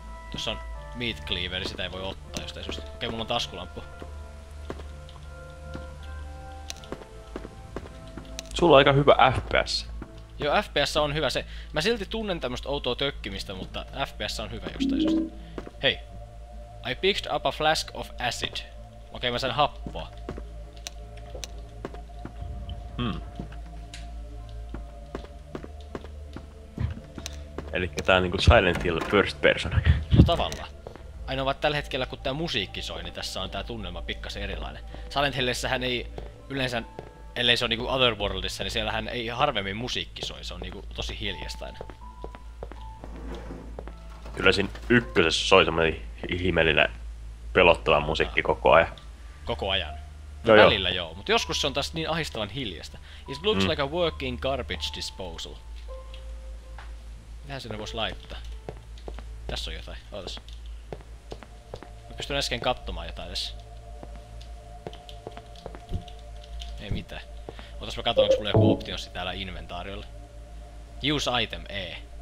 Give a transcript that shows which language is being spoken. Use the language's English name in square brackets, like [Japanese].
[Finnish] Tuossa on meat cleaveri, sitä ei voi ottaa jostain syystä. Okei, mulla on taskulamppu. Sulla on aika hyvä FPS. Joo, FPS on hyvä. Mä silti tunnen tämmöstä outoa tökkimistä, mutta FPS on hyvä jostain syystä. Hei. [English] I picked up a flask of acid. [Finnish] Okei, mä sain happoa. Elikkä tää on niinku Silent Hill first person. No tavallaan. Ainoa vaan tällä hetkellä kun tää musiikki soi, niin tässä on tää tunnelma pikkasen erilainen. Silent Hillissähän ei yleensä, ellei se on niinku Otherworldissa, niin siellähän ei harvemmin musiikki soi. Se on niinku tosi hiljastainen. Kyllä siinä ykkösessä soi semmonen ihmeellinen pelottava musiikki koko ajan. Koko ajan? No joo. Välillä joo, mutta joskus se on taas niin ahistavan hiljasta. [English] It looks like a working garbage disposal. [Finnish] Mitähän sinne vois laittaa? Tässä on jotain, ootas. Mä pystyn äsken kattomaan jotain tässä. Ei mitään. Ootas mä katon, onks mulla joku optionssi täällä inventaariolla. [English] Use item, [Finnish] ei.